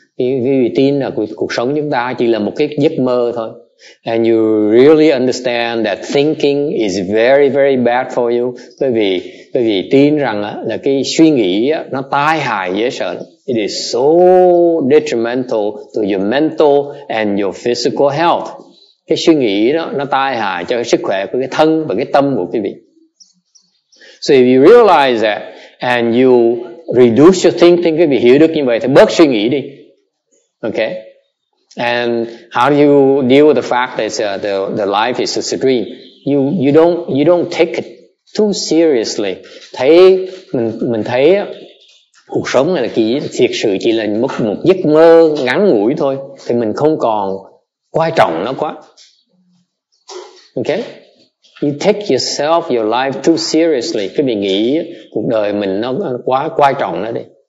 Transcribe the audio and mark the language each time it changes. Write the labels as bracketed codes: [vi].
[vi] You tin là cuộc sống chúng ta chỉ là một cái giấc mơ thôi. [en] And you really understand that thinking is very, very bad for you. [vi] Bởi vì tin rằng là cái suy nghĩ nó tai hại dễ sợ. [en] It is so detrimental to your mental and your physical health. [vi] Cái suy nghĩ đó nó tai hại cho cái sức khỏe của cái thân và cái tâm của quý vị. [en] So if you realize that and you reduce your thinking, [vi] quý vị hiểu được như vậy thì bớt suy nghĩ đi. [en] Okay? And how do you deal with the fact that the life is just a dream? You don't take it too seriously. [vi] Mình thấy cuộc sống này là thiệt sự chỉ là một giấc mơ ngắn ngủi thôi, thì mình không còn quan trọng nó quá. Okay? [en] You take yourself, your life too seriously. [vi] Cái mình nghĩ cuộc đời mình nó quá quan trọng nó đi.